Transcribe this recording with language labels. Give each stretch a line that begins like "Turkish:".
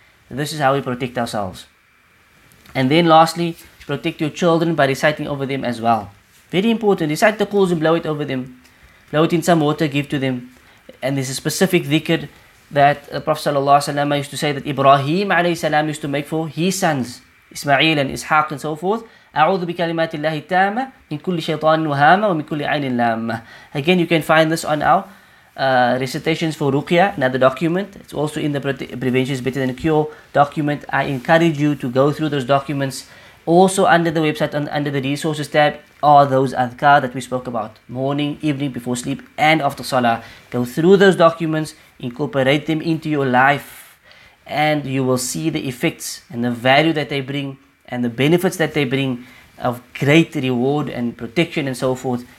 English: This is how we protect ourselves. And then lastly, protect your children by reciting over them as well. Very important. Recite the quls and blow it over them. floating some water, give to them. And there's a specific dhikr that the Prophet ﷺ used to say that Ibrahim ﷺ used to make for his sons, Ismail and Ishaq and so forth.
Arabic: أعوذ بكلمات الله التامة من كل شيطان وهامة ومن كل عين لامة.
English: Again, you can find this on our recitations for Ruqya, another document. It's also in the Prevention is Better Than Cure document. I encourage you to go through those documents. Also under the website, under the resources tab, are those adhkar that we spoke about. Morning, evening, before sleep, and after salah. Go through those documents, incorporate them into your life, and you will see the effects and the value that they bring and the benefits that they bring of great reward and protection and so forth.